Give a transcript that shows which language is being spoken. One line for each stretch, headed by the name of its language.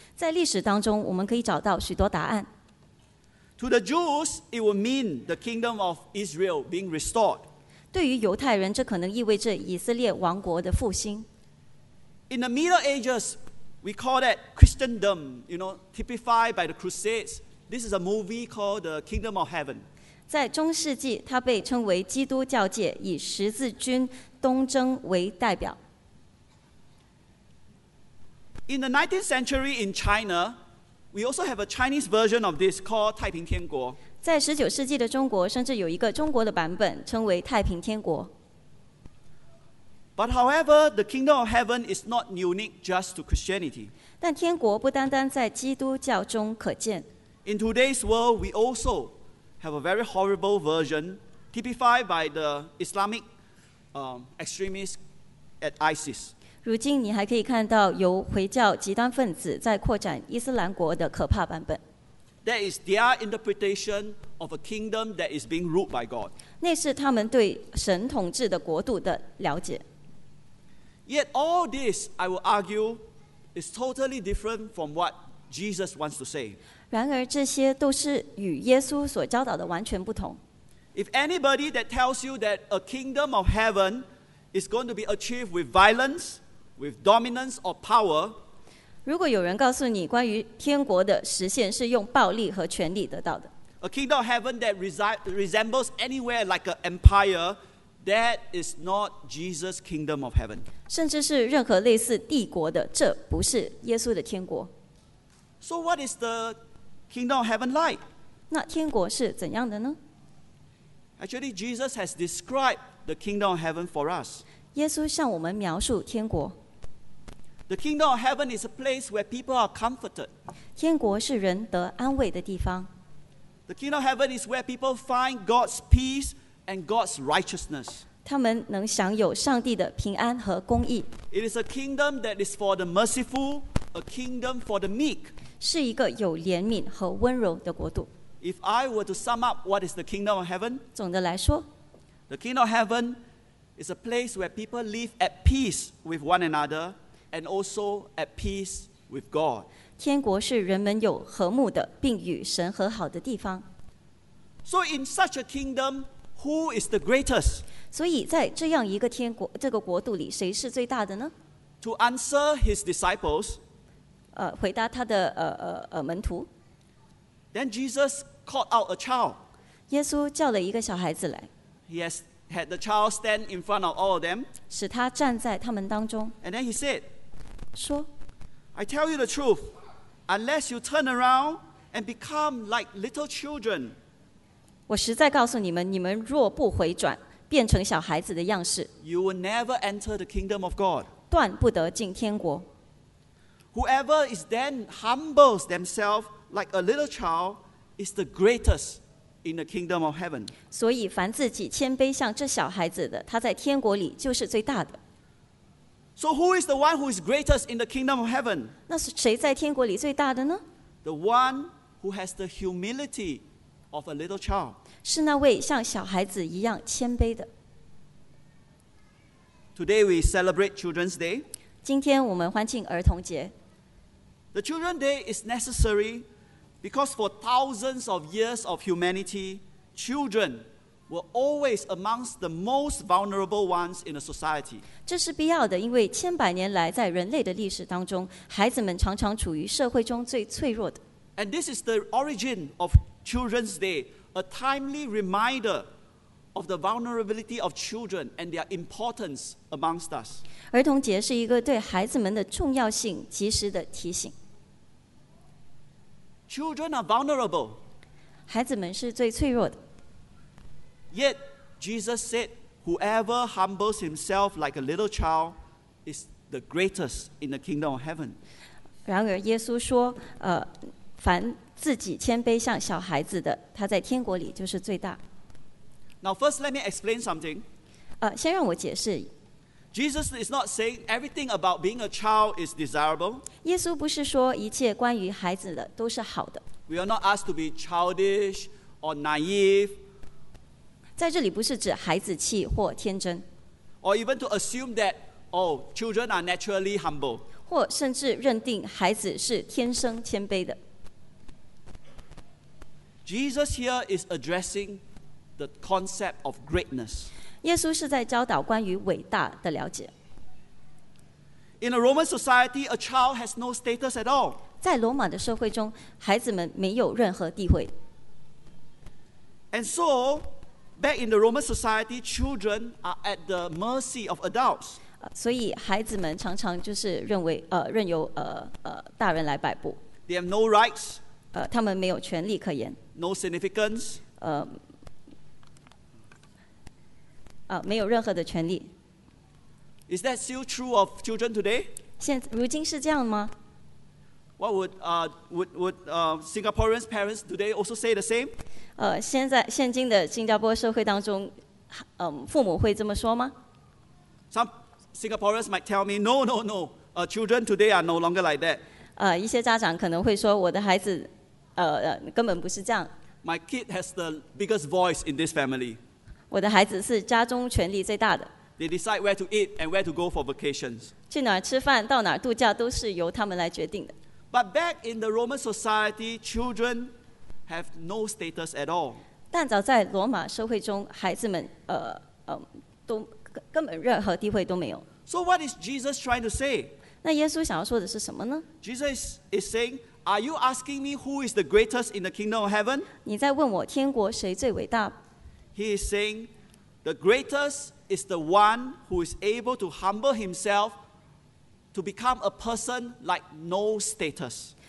Chinese: 在历史当中，我们可以找到许多答案。
English: To the Jews, it would mean the kingdom of Israel being restored.
Chinese: 对于犹太人，这可能意味着以色列王国的复兴。
English: In the Middle Ages, we call that Christendom, you know, typified by the Crusades. This is a movie called The Kingdom of Heaven.
Chinese: 在中世纪，它被称为基督教界，以十字军东征为代表。
English: In the 19th century in China,We also have a Chinese version of this called 太平天国。
Chinese: 在十九世纪的中国，甚至有一个中国的版本，称为太平天国。
English: But however, the kingdom of heaven is not unique just to Christianity.
Chinese: 但天国不单单在基督教中可见。
English: In today's world, we also have a very horrible version typified by the Islamic extremists at ISIS.
Chinese: 如今你还可以看到由回教极端分子在扩展伊斯兰国的可怕版本。
English: That is their interpretation of a kingdom that is being ruled by God.
Chinese: 那是他们对神统治的国度的了解。
English: Yet all this, I will argue, is totally different from what Jesus wants to say.
Chinese: 然而这些都是与耶稣所教导的完全不同。
English: If anybody that tells you that a kingdom of heaven is going to be achieved with violence,With dominance or power,
Chinese: 如果有人告诉你关于天国的实现是用暴力和权力得到的
English: ，A kingdom of heaven that resembles anywhere like an empire, that is not Jesus' kingdom of heaven.
Chinese: 甚至是任何类似帝国的，这不是耶稣的天国。
English: So what is the kingdom of heaven like?
Chinese: 那天国是怎样的呢
English: ？Actually, Jesus has described the kingdom of heaven for us.
Chinese: 耶稣向我们描述天国。
English: The kingdom of heaven is a place where people are comforted.
Chinese: 天国是人得安慰的地方。
English: The kingdom of heaven is where people find God's peace and God's righteousness.
Chinese: 他们能享有上帝的平安和公义。
English: It is a kingdom that is for the merciful, a kingdom for the meek.
Chinese: 是一个有怜悯和温柔的国度。
English: If I were to sum up what is the kingdom of heaven,
Chinese: 总的来说
English: the kingdom of heaven. It's a place where people live at peace with one another and also at peace with God.
Chinese: 天国是人们有和睦的并与神和好的地方。
English: So in such a kingdom, who is the greatest?
Chinese: 所以在这样一个天国这个国度里谁是最大的呢?
English: To answer his disciples,
Chinese: 回答他的门徒。
English: Then Jesus called out a child.
Chinese: 耶稣叫了一个小孩子来。
English: Yes. Had the child stand in front of all of them,
Chinese: 使他站在他们当中。
English: And then he said,
Chinese: 说
English: I tell you the truth, unless you turn around and become like little children,
Chinese: 我实在告诉你们，你们若不回转，变成小孩子的样式，
English: you will never enter the kingdom of God.
Chinese: 断不得进天国。
English: Whoever is then humbles themselves like a little child is the greatest. In the kingdom of heaven.
Chinese: 所以凡自己谦卑像这小孩子的他在天国里就是最大的。
English: So who is the one who is greatest in the kingdom of heaven?
Chinese: 那是谁在天国里最大的呢?
English: The one who has the humility of a little child.
Chinese: 是那位像小孩子一样谦卑的。
English: Today we celebrate Children's Day.
Chinese: 今天我们欢庆儿童节。
English: The Children's Day is necessary. Because for thousands of years of humanity, children were always amongst the most vulnerable ones in a society.
Chinese: 这是必要的，因为千百年来在人类的历史当中，孩子们常常处于社会中最脆弱的。
English: And this is the origin of Children's Day, a timely reminder of the vulnerability of children and their importance amongst us.
Chinese: 儿童节是一个对孩子们的重要性及时的提醒。
English: Children are vulnerable.
Chinese: 孩子们是最脆弱的。
English: Yet, Jesus said, whoever humbles himself like a little child is the greatest in the kingdom of heaven.
Chinese: 然而耶稣说，凡自己谦卑像小孩子的，他在天国里就是最大。
English: Now first let me explain something.
Chinese: 先让我解释。
English: Jesus is not saying everything about being a child is desirable.
Chinese: 耶稣不是说一切关于孩子的都是好的。
English: We are not asked to be childish or naive.
Chinese: 在这里不是指孩子气或天真。
English: Or even to assume that, oh, children are naturally humble.
Chinese: 或甚至认定孩子是天生谦卑的。
English: Jesus here is addressing the concept of greatness.
Chinese: 耶稣是在教导关于伟大的了解。
English: In a Roman society, a child has no status at all.
Chinese: 在罗马的社会中，孩子们没有任何地位。
English: And so, back in the Roman society, children are at the mercy of adults.
Chinese: 所以孩子们常常就是认为任由大人来摆布。
English: They have no rights.
Chinese: 他们没有权利可言。
English: No significance.
Chinese: 没有任何的权利。
English: Is that still true of children today?
Chinese: 现在如今是这样吗？
English: What would Singaporeans parents today also say the same?
Chinese: 现今的新加坡社会当中，父母会这么说吗？
English: Some Singaporeans might tell me, no. Children today are no longer like that.
Chinese: 一些家长可能会说，我的孩子，根本不是这样。
English: My kid has the biggest voice in this family.
Chinese: 我的孩子是家中权力最大的。
English: They decide where to eat and where to go for vacations.
Chinese: 去哪儿吃饭，到哪儿度假，都是由他们来决定的。
English: But back in the Roman society, children have no status at all.
Chinese: 但早在罗马社会中，孩子们都根本任何地位都没有。
English: So what is Jesus trying to say?
Chinese: 那耶稣想要说的是什么呢？
English: Jesus is saying, "Are you asking me who is the greatest in the kingdom of heaven?"
Chinese: 你在问我天国谁最伟大？
English: He is saying, "The greatest." Is the one who is able to humble himself to become a person like no status.